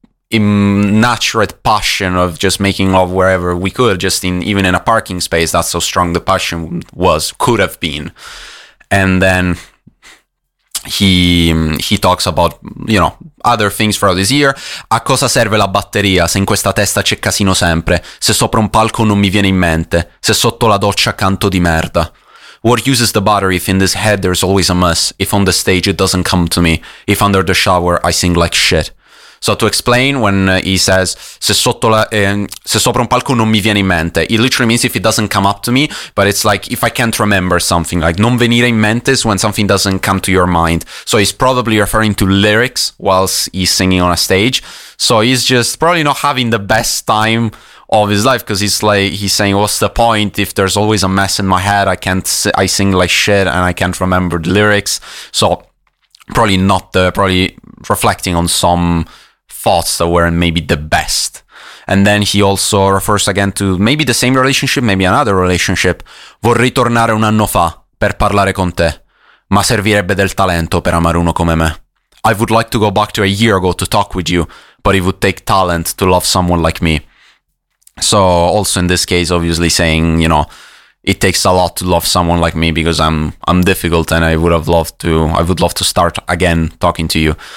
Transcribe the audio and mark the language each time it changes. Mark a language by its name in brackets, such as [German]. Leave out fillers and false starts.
[English] innaturate passion of just making love wherever we could, just in even in a parking space. That's so strong the passion was, could have been. And then he talks about, you know, other things throughout this year. [Italian] A cosa serve la batteria se in questa testa c'è casino sempre? Se sopra un palco non mi viene in mente, se sotto la doccia canto di merda. [English] What use is the battery if in this head there's always a mess? If on the stage it doesn't come to me, if under the shower I sing like shit. So to explain, when he says, [Italian] se sotto la, se sopra un palco non mi viene in mente, [English] it literally means if it doesn't come up to me, but it's like if I can't remember something, like [Italian] non venire in mente [English] is when something doesn't come to your mind. So he's probably referring to lyrics whilst he's singing on a stage. So he's just probably not having the best time of his life, because he's like, he's saying, what's the point if there's always a mess in my head? I can't, I sing like shit and I can't remember the lyrics. So probably not the, probably reflecting on some thoughts that weren't maybe the best. And then he also refers again to maybe the same relationship, maybe another relationship. [Italian] Vorrei tornare un anno fa per parlare con te, ma servirebbe del talento per amare uno come me. [English] I would like to go back to a year ago to talk with you, but it would take talent to love someone like me. So also in this case, obviously saying, you know, it takes a lot to love someone like me because I'm difficult, and I would love to start again talking to you.